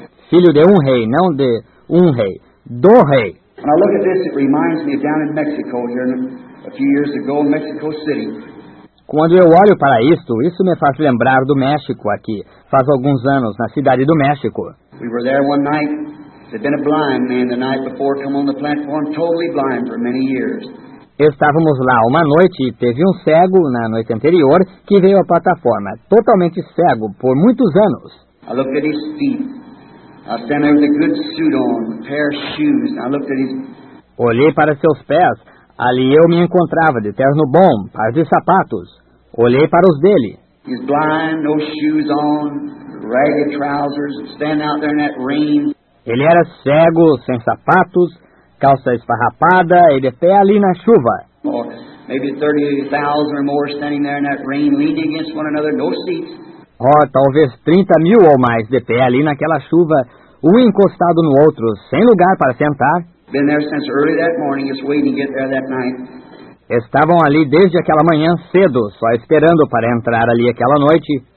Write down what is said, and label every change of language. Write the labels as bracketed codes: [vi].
[pt] Filho de um rei, não de um rei, do rei. [en] When I look at this, it reminds me of down in Mexico here a few years ago in Mexico City. [pt] Quando eu olho para isto, isso me faz lembrar do México aqui, faz alguns anos, na cidade do México. [en] We were there one night. There'd been a blind man the night before come on the platform, totally blind for many years. [pt] Estávamos lá uma noite e teve um cego na noite anterior que veio à plataforma, totalmente cego, por muitos anos. [en] I looked at his feet. I stand there with a good suit on, a pair of shoes, and I looked at his... [pt] Olhei para seus pés. Ali eu me encontrava, de terno bom, par de sapatos. Olhei para os dele. [en] He's blind, no shoes on, ragged trousers, standing out there in that rain. [pt] Ele era cego, sem sapatos, calça esfarrapada e de pé ali na chuva. [en] more, maybe 30,000 or more standing there in that rain, leaning against one another, no seats. [pt] Oh, talvez 30 mil ou mais de pé ali naquela chuva, um encostado no outro, sem lugar para sentar. [en] Been there since early that morning, just waiting to get there that night. [pt] Estavam ali desde aquela manhã cedo, só esperando para entrar ali aquela noite.